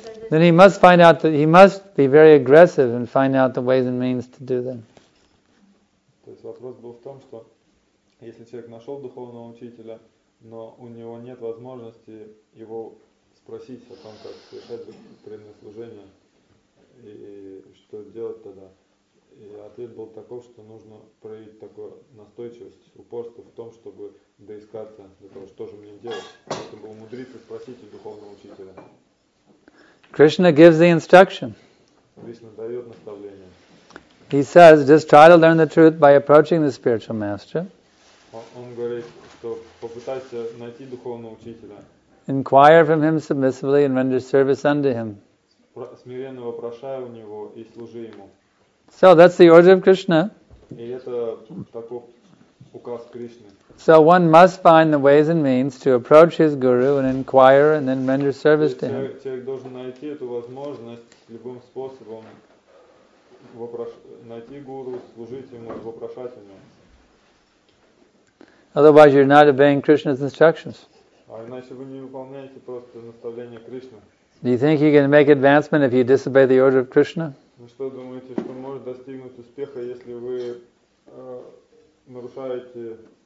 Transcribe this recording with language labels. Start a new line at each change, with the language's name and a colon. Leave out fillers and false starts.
English: Then he must find out that he must be very aggressive and find out the ways and means to do them.
Russian: То есть вопрос был в том, что если человек нашел духовного учителя, но у него нет возможности его спросить о том, как совершать преданное служение и что делать тогда, и ответ был таков, что нужно проявить такую настойчивость, упорство в том, чтобы доискаться до того, что же мне делать, чтобы умудриться спросить у духовного учителя.
English: Krishna gives the instruction.
Russian: Krishna дает наставление.
English: He says, just try to learn the truth by approaching the spiritual master.
Russian: Он говорит, что попытайся найти духовного учителя.
English: Inquire from him submissively and render service unto him.
Russian: Смиренно вопрошай у него и служи ему.
English: So that's the order of Krishna.
Russian: И это таков указ Кришны.
English: So one must find the ways and means to approach his guru and inquire and then render service to him.
Russian: Человек должен найти эту возможность любым способом найти гуру, служить ему, вопрошать ему.
English: Otherwise you're not obeying Krishna's instructions.
Russian: А иначе вы не выполняете просто наставления Кришны.
English: Do you think you can make advancement if you disobey the order of Krishna?
Russian: Ну что думаете, что может достигнуть успеха, если вы нарушаете